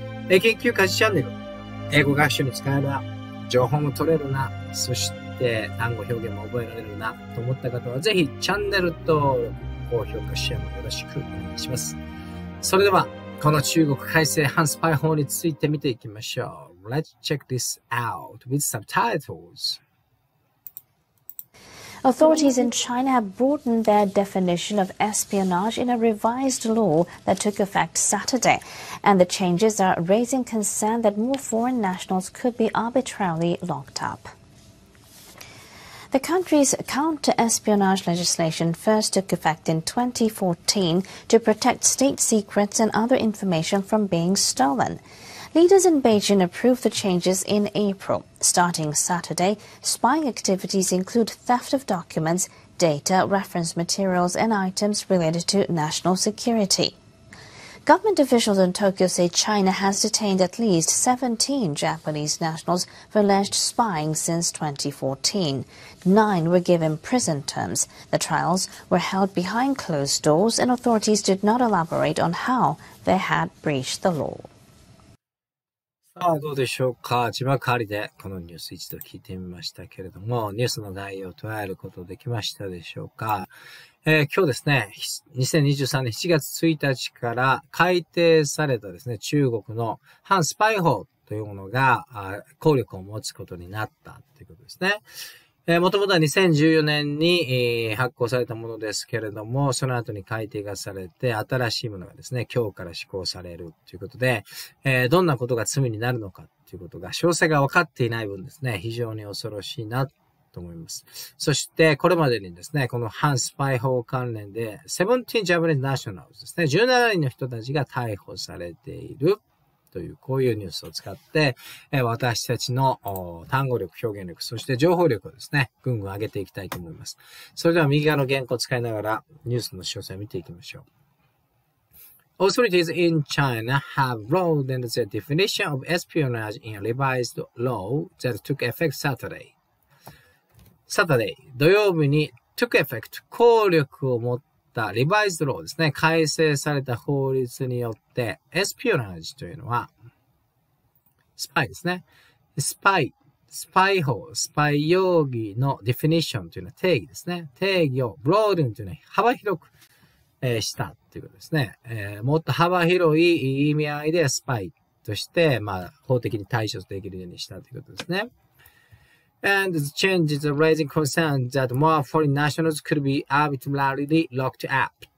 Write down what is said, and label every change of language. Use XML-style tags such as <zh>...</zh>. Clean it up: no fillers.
<ja>英研究家事チャンネル、英語学習に使えば情報も取れるな、そして単語表現も覚えられるなと思った方はぜひチャンネル登録、高評価、シェアもよろしくお願いします。それではこの中国改正反スパイ法について見ていきましょう。</ja> <en>Let's check this out with subtitles. Authorities in China have broadened their definition of espionage in a revised law that took effect Saturday. And the changes are raising concern that more foreign nationals could be arbitrarily locked up. The country's counter-espionage legislation first took effect in 2014 to protect state secrets and other information from being stolen. Leaders in Beijing approved the changes in April. Starting Saturday, spying activities include theft of documents, data, reference materials, and items related to national security. Government officials in Tokyo say China has detained at least 17 Japanese nationals for alleged spying since 2014. Nine were given prison terms. The trials were held behind closed doors, and authorities did not elaborate on how they had breached the law.</en> <ja>さあどうでしょうか。字幕ありでこのニュース一度聞いてみましたけれども、ニュースの内容を捉えることできましたでしょうか。今日ですね、2023年7月1日から改定されたですね、中国の反スパイ法というものが効力を持つことになったということですね。もともとは2014年に発行されたものですけれども、その後に改定がされて、新しいものがですね、今日から施行されるということで、どんなことが罪になるのかということが、詳細が分かっていない分ですね、非常に恐ろしいな。と思います。そしてこれまでにですね、この反スパイ法関連で</ja> <en>17 Japanese nationals</en> <ja>ですね、17人の人たちが逮捕されているというこういうニュースを使って私たちの単語力、表現力、そして情報力をですね、ぐんぐん上げていきたいと思います。それでは右側の原稿を使いながらニュースの詳細を見ていきましょう。</ja> <en>Authorities in China have broadened the definition of espionage in a revised law that took effect Saturday.</en> <ja>サタデー、土曜日に</ja> <en>took effect、</en> <ja>効力を持った</ja> <en>revised law</en> <ja>ですね、改正された法律によって、espionage というのは、スパイですね。スパイ法、スパイ容疑の definition というのは定義ですね。定義を broaden というのは幅広く、したということですね、もっと幅広い意味合いでスパイとして、まあ、法的に対処できるようにしたということですね。</ja> <en>And the changes are raising concern that more foreign nationals could be arbitrarily locked up.</en>